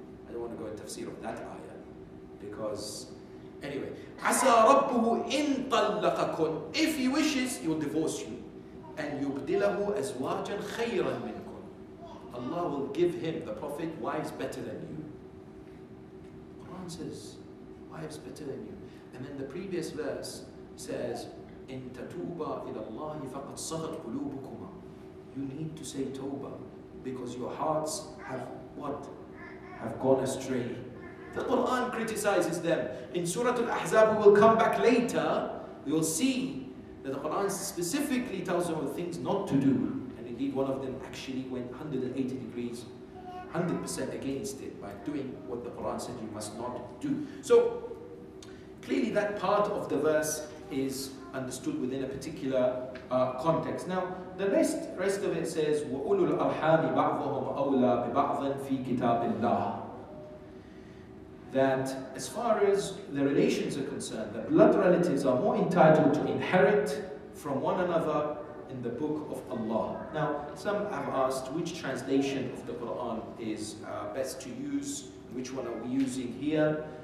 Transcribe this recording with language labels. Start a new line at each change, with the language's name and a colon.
English: I don't want to go into tafsir of that ayah, because, anyway,
Arabic: Asa Rabbuhu in tallaqakun,
English: if he wishes, he will divorce you, and
Arabic: yubdilahu azwajan khayran min.
English: Allah will give him, the Prophet, wives better than you. Quran says, wives better than you. And then the previous verse says,
Arabic: إِن تَتُوبَ إِلَى اللَّهِ فَقَدْ صَغَتْ قُلُوبُكُمَا.
English: You need to say Toba because your hearts have what? Have gone astray. The Quran criticizes them. In Surah Al-Ahzab, we will come back later, we will see that the Quran specifically tells them the things not to do. Indeed, one of them actually went 180 degrees, 100% against it by doing what the Quran said you must not do. So, clearly that part of the verse is understood within a particular context. Now, the rest of it says,
Arabic: وَأُولُوا الْأَرْحَامِ بَعْضُهُمْ أَوْلَى بِبَعْضًا فِي كِتَابِ اللَّهِ.
English: That as far as the relations are concerned, the blood relatives are more entitled to inherit from one another in the book of Allah. Now, some have asked which translation of the Quran is best to use, which one are we using here?